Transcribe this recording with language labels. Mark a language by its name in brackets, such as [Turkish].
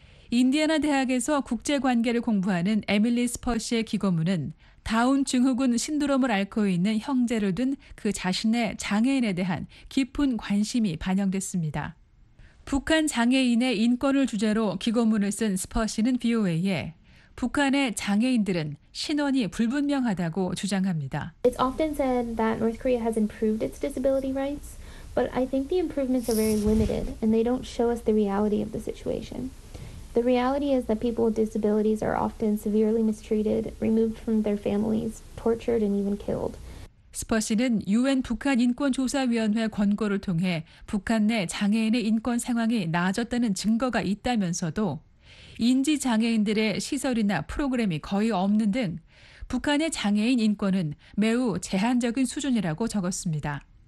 [Korean] 인디애나 대학에서 국제관계를 공부하는 에밀리 스퍼 씨의 기고문은 다운 증후군 신드롬을 앓고 있는 형제를 둔 그 자신의 장애인에 대한 깊은 관심이 반영됐습니다. 북한 장애인의 인권을 주제로 기고문을 쓴 스퍼 씨는 VOA에 북한의 장애인들은 신원이 불분명하다고 주장합니다. [English] It's often said that North Korea has improved its disability rights, but I think the improvements are very limited and they don't show us the reality of the situation. The reality is that people with disabilities are often severely mistreated, removed from their families, tortured and even killed. [Korean] 스퍼 씨는 UN 북한인권조사위원회 권고를 통해 북한 내 장애인의 인권 상황이 나아졌다는 증거가 있다면서도 인지장애인들의 시설이나 프로그램이 거의 없는 등 북한의 장애인 인권은 매우 제한적인 수준이라고 적었습니다.